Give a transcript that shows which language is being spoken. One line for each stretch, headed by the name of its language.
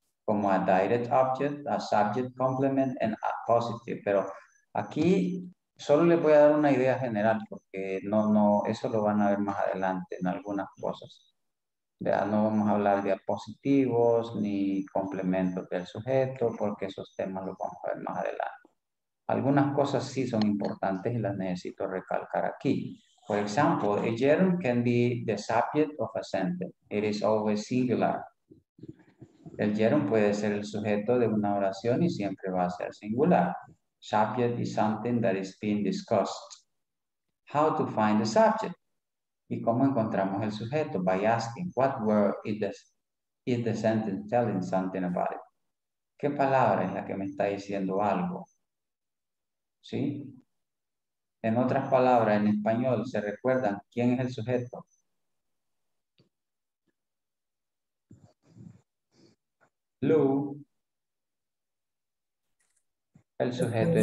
English: Como a direct object, a subject complement, and a positive.
Spanish: Pero aquí solo les voy a dar una idea general, porque no, eso lo van a ver más adelante en algunas cosas. Ya no vamos a hablar de apositivos ni complementos del sujeto, porque esos temas los vamos a ver más adelante. Algunas cosas sí son importantes y las necesito recalcar aquí.
English: For example, a gerund can be the subject of a sentence. It is always singular.
Spanish: El gerund puede ser el sujeto de una oración y siempre va a ser singular.
English: Subject is something that is being discussed. How to find the subject?
Spanish: ¿Y cómo encontramos el sujeto?
English: By asking, what word is the sentence telling something about it?
Spanish: ¿Qué palabra es la que me está diciendo algo? ¿Sí? En otras palabras, en español, ¿se recuerdan quién es el sujeto? Lu, el sujeto es